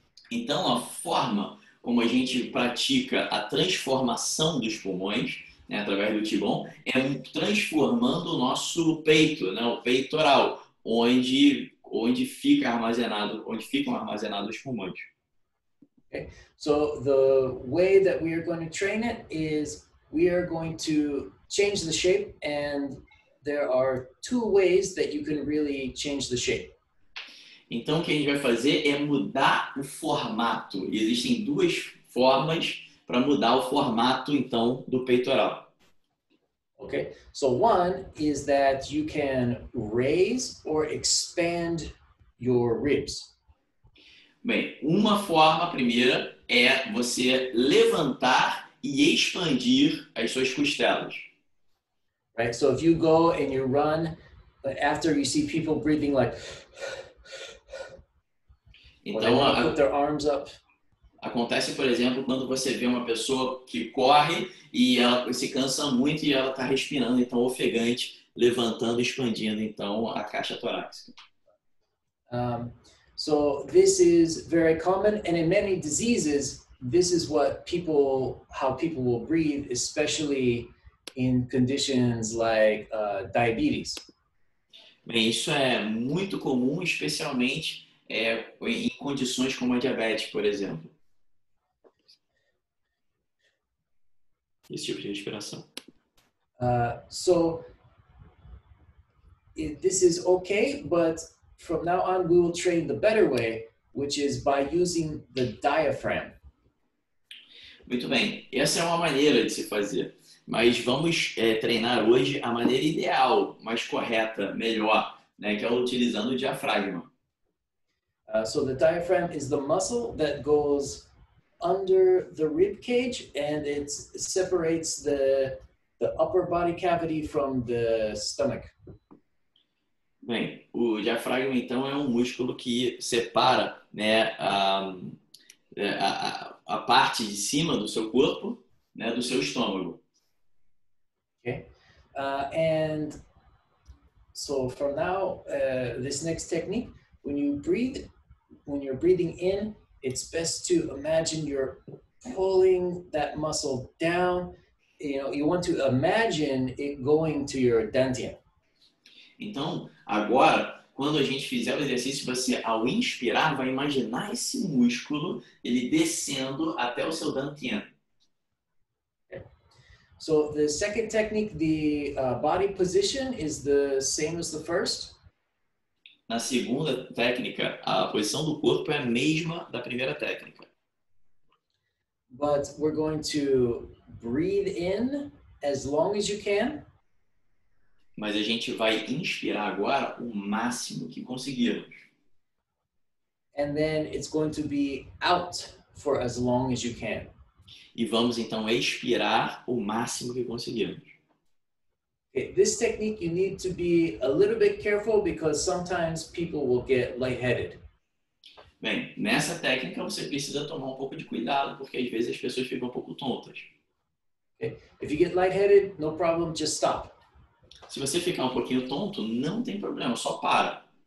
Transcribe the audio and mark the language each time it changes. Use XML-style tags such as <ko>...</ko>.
<pt>Então, a forma como a gente pratica a transformação dos pulmões, né, através do Qigong, é transformando o nosso peito, né, o peitoral, onde fica armazenado, onde ficam armazenados os pulmões.</pt> <en>Okay. So, the way that we are going to train it is we are going to change the shape and there are two ways that you can really change the shape.</en> <pt>Então, o que a gente vai fazer é mudar o formato. E existem duas formas para mudar o formato, então, do peitoral.</pt> <en>Okay. So, one is that you can raise or expand your ribs.</en> <pt>Bem, uma forma, a primeira, é você levantar e expandir as suas costelas.</pt> <en>Right? So, if you go and you run, but after you see people breathing like...</en> <pt>Então,</pt> <en>put their arms up.</en> <pt>Acontece, por exemplo, quando você vê uma pessoa que corre e ela se cansa muito e ela está respirando, então, ofegante, levantando, expandindo, então, a caixa torácica.</pt> <en>So, this is very common, and in many diseases, this is what people, how people will breathe, especially in conditions like diabetes.</en> <pt>Bem, isso é muito comum, especialmente em condições como a diabetes, por exemplo. Esse tipo de respiração.</pt> <en>So, this is okay, but from now on we will train the better way, which is by using the diaphragm.</en> <pt>Muito bem. Essa é uma maneira de se fazer. Mas vamos treinar hoje a maneira ideal, mais correta, melhor, né? Que é utilizando o diafragma.</pt> <en>So the diaphragm is the muscle that goes under the rib cage and it separates the upper body cavity from the stomach.</en> <pt>Bem, o diafragma então é um músculo que separa, né, a parte de cima do seu corpo, né, do seu estômago.</pt> <en>Okay. And so from now, this next technique, when you breathe, when you're breathing in, it's best to imagine you're pulling that muscle down. You know, you want to imagine it going to your dantian.</en> <pt>Então, agora, quando a gente fizer o exercício, você, ao inspirar, vai imaginar esse músculo, ele descendo até o seu dantian.</pt> <en>So, the second technique, the body position is the same as the first.</en> <pt>Na segunda técnica, a posição do corpo é a mesma da primeira técnica.</pt> <en>But we're going to breathe in as long as you can.</en> <pt>Mas a gente vai inspirar agora o máximo que conseguirmos.</pt> <en>And then it's going to be out for as long as you can.</en> <pt>E vamos então expirar o máximo que conseguirmos.</pt> <en>Okay, this technique you need to be a little bit careful because sometimes people will get lightheaded.</en> <pt>Bem, nessa técnica você precisa tomar um pouco de cuidado porque às vezes as pessoas ficam um pouco tontas.</pt> <en>Okay. If you get lightheaded, no problem, just stop.</en> <pt>Se você ficar um pouquinho tonto, não tem problema, só para.</pt>